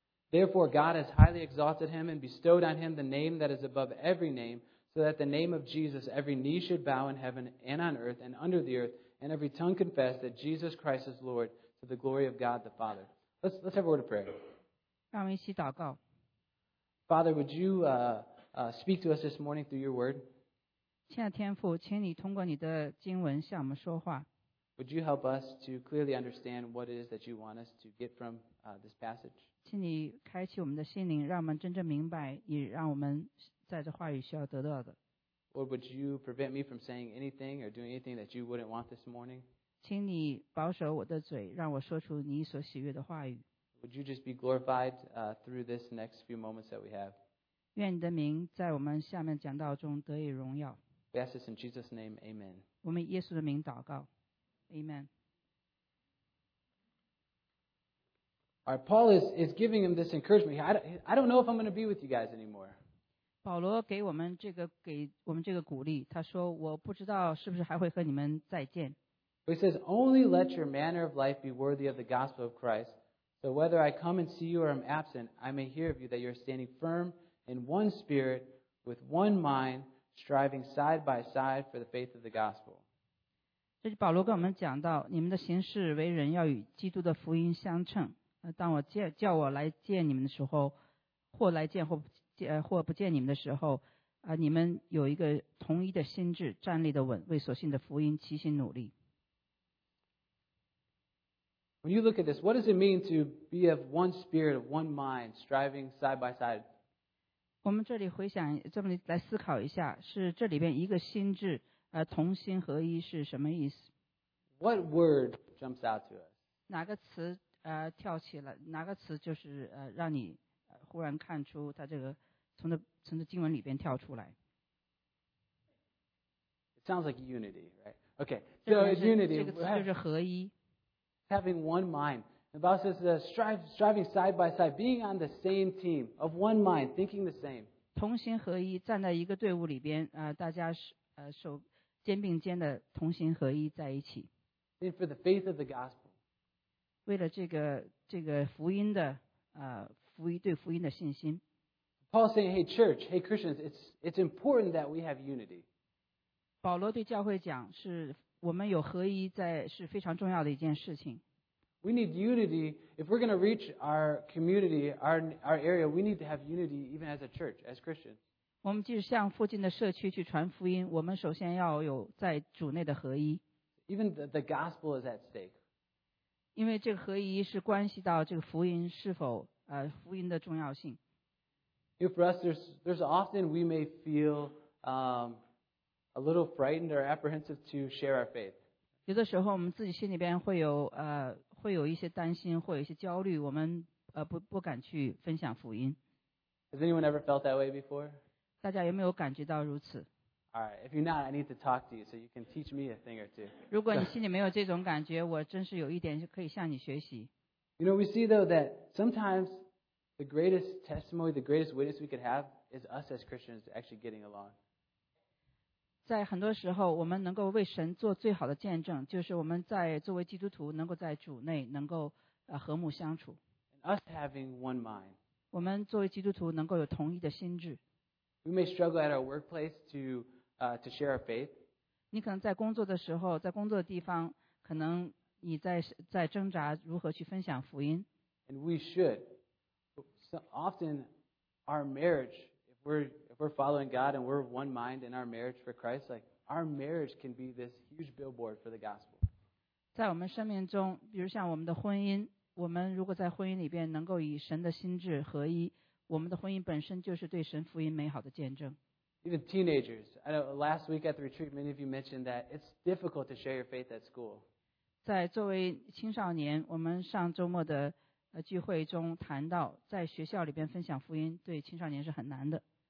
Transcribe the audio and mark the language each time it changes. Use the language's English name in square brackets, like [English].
[English] Therefore, God has highly exalted him and bestowed on him the name that is above every name,So that the name of Jesus, every knee should bow in heaven and on earth and under the earth, and every tongue confess that Jesus Christ is Lord to the glory of God the Father. Let's have a word of prayer. [Chinese] 让我们一起祷告。 [English] Father, would you speak to us this morning through your word? [Chinese] 亲爱的天父，请你通过你的经文向我们说话。 [English] Would you help us to clearly understand what it is that you want us to get from this passage? [Chinese] 请你开启我们的心灵，让我们真正明白你让我们在这话语需要得到的。 [English] Lord, would you prevent me from saying anything or doing anything that you wouldn't want this morning? [Chinese] 请你保守我的嘴，让我说出你所喜悦的话语。 [English] Would you just be glorified through this next few moments that we have? [Chinese] 愿你的名在我们下面讲道中得以荣耀。 [English] We ask this in Jesus' name, Amen. [Chinese] 我们耶稣的名祷告， Amen. [English] All right, Paul is giving him this encouragement. I don't know if I'm going to be with you guys anymore. [Chinese] 保罗给我们这个鼓励，他说我不知道是不是还会和你们再见。 [English] He says, only let your manner of life be worthy of the gospel of Christ, so whether I come and see you or am absent, I may hear of you that you're standing firm in one spirit, with one mind, striving side by side for the faith of the gospel. [Chinese] 这是保罗跟我们讲到，你们的行事为人要与基督的福音相称，当我见叫我来见你们的时候，或来见或 不见你们的时候、你们有一个同一的心智，站立的稳，为所信的福音齐心努力。 [English] When you look at this, what does it mean to be of one spirit, of one mind, striving side by side? [Chinese] 我们这里回想，这么来思考一下，是这里边一个心智，同心合一是什么意思？ [English] What word jumps out to us? [Chinese] 哪个词跳起了？哪个词就是让你忽然看出他这个从这经文里边跳出来 [English] ？It sounds like unity, right? Okay, so it's unity. [Chinese] 这个词就是合一。 [English] Having one mind. The Bible says striving side by side, being on the same team, of one mind, thinking the same. [Chinese] 同心合一，站在一个队伍里边，大家手肩并肩的同心合一在一起。 [English] And for the faith of the gospel. [Chinese] 为了这个福音的福音，对福音的信心。 [English] Paul saying, "Hey, church, hey, Christians, it's important that we have unity." [Chinese] 保罗对教会讲，是我们有合一在是非常重要的一件事情。 [English] We need unity if we're going to reach our community, our area. We need to have unity even as a church, as Christians. [Chinese] 我们即使向附近的社区去传福音，我们首先要有在主内的合一。 [English] Even the gospel is at stake. [Chinese] 因为这个合一是关系到这个福音是否福音的重要性。 [English] You know, for us, there's often we may feel a little frightened or apprehensive to share our faith. [Chinese] 有的时候，我们自己心里边会有一些担心，会有一些焦虑，我们不敢去分享福音。 [English] Has anyone ever felt that way before? [Chinese] 大家有没有感觉到如此 [English] ？All right, if you're not, I need to talk to you so you can teach me a thing or two. [Chinese] 如果你心里没有这种感觉，我真是有一点可以向你学习。 [English] You know, we see though that sometimes. The greatest testimony, the greatest witness we could have is us as Christians actually getting along. [Chinese] 在很多时候，我们能够为神做最好的见证，就是我们在作为基督徒能够在主内能够和睦相处。 [English] And us having one mind. [Chinese] 我们作为基督徒能够有同一的心智。 [English] We may struggle at our workplace to share our faith. [Chinese] 你可能在工作的时候，在工作的地方，可能你在挣扎如何去分享福音。 [English] And we should. So often, our marriage, if we're following God and we're one mind in our marriage for Christ, like our marriage can be this huge billboard for the gospel. [Chinese] 在我们生命中，比如像我们的婚姻，我们如果在婚姻里边能够与神的心智合一，我们的婚姻本身就是对神福音美好的见证。 [English] Even teenagers, I know last week at the retreat, many of you mentioned that it's difficult to share your faith at school. [Chinese] 在作为青少年，我们上周末的。聚会中谈到在学校里边分享福音对青少年是很难的。